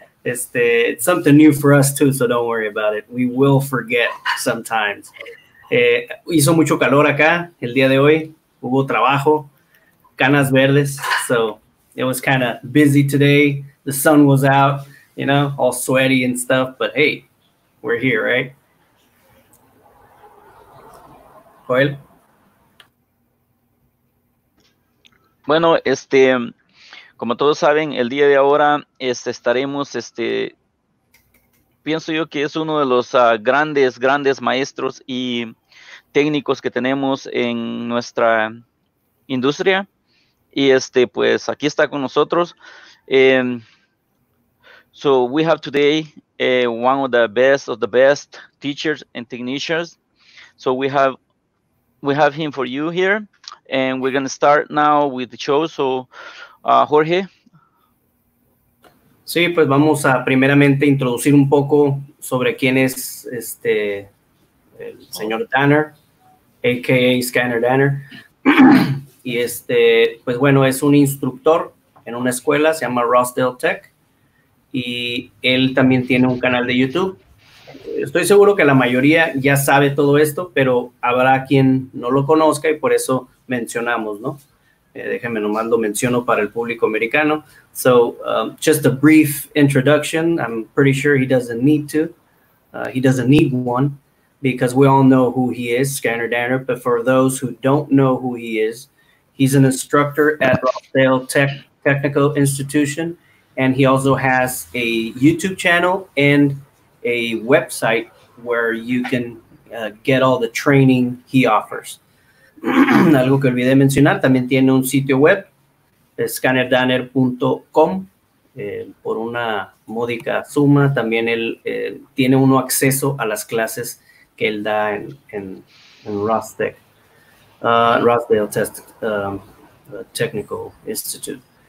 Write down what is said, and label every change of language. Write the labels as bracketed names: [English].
[English] It's something new for us too, so don't worry about it. We will forget sometimes. [Spanish] Hizo mucho calor acá el día de hoy. Hubo trabajo, canas verdes. [English] So it was kind of busy today. The sun was out, you know, all sweaty and stuff. But hey, we're here, right? Joel. [Spanish] Bueno, como todos saben, el día de ahora estaremos, pienso yo que es uno de los grandes maestros y técnicos que tenemos en nuestra industria. Y pues aquí está con nosotros. [English] So we have today one of the best teachers and technicians. So we have him for you here. And we're going to start now with the show. So, Jorge. [Spanish] Sí, pues vamos a primeramente introducir un poco sobre quién es el señor Danner, a.k.a. Scanner Danner. Y pues bueno, es un instructor en una escuela, se llama Rossdale Tech. Y él también tiene un canal de YouTube. Estoy seguro que la mayoría ya sabe todo esto, pero habrá quien no lo conozca y por eso mencionamos, ¿no? Déjenme nomás lo menciono para el público americano. [English] So, just a brief introduction. I'm pretty sure he doesn't need to. He doesn't need one because we all know who he is, Scanner Danner. But for those who don't know who he is, he's an instructor at Rossdale Technical Institution And he also has a YouTube channel and a website where you can get all the training he offers. [Spanish] Algo que olvidé mencionar, también tiene un sitio web, scannerdanner.com, por una módica suma. También él tiene uno acceso a las clases que él da en Rostec, Rosedale Test Technical Institute.